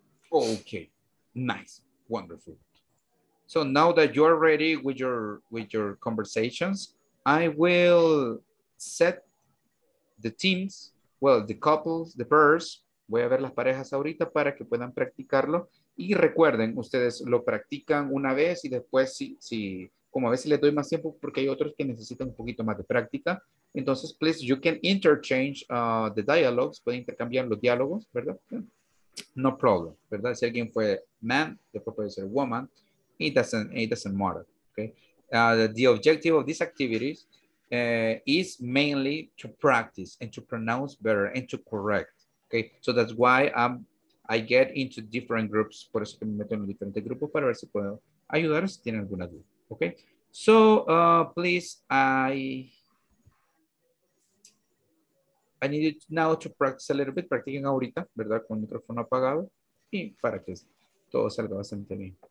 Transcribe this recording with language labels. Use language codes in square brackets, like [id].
[en] Okay, nice. Wonderful. So now that you're ready with your conversations, I will set the teams, well, the couples, the pairs. [es] Voy a ver las parejas ahorita para que puedan practicarlo. Y recuerden, ustedes lo practican una vez y después, si como a veces les doy más tiempo porque hay otros que necesitan un poquito más de práctica. Entonces, [en] please, you can interchange the dialogues. [es] Pueden intercambiar los diálogos, ¿verdad? [en] No problem, [es] ¿verdad? Si alguien fue man, después puede ser woman. [en] It doesn't matter, okay? The objective of these activities is mainly to practice and to pronounce better and to correct, okay? So that's why I get into different groups. [es] Por eso que me meto en diferentes grupos para ver si puedo ayudar si tienen alguna duda, okay? [en] So, please, I need it now to practice a little bit. [es] Practicen ahorita, ¿verdad? Con el micrófono apagado y para que todo salga bastante bien.